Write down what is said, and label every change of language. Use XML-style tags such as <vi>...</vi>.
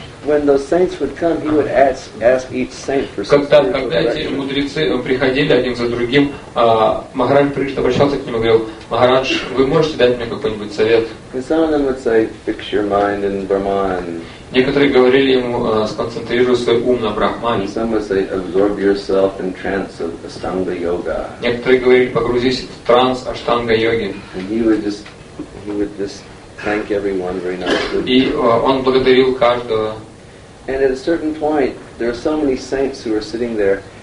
<en>When those saints would come, he would ask each saint for something.</en> <ru>Когда эти мудрецы приходили один за другим, Махарадж Парикшит обращался к ним и говорил: Махарадж, вы можете дать мне какой-нибудь совет?</ru> <en>And some of them would say, fix your mind in Brahman.</en> <ru>Некоторые говорили ему, сконцентрируй свой ум на Брахмане.</ru> <en>Some would say, absorb yourself in trance of Ashtanga Yoga.</en> <ru>Некоторые говорили, погрузись в транс Аштанга Йоги.</ru> <en>And he would just thank everyone very nicely.</en> <ru>И он благодарил каждого.</ru> <en>And at a certain point, there are so many saints who are sitting there.</en>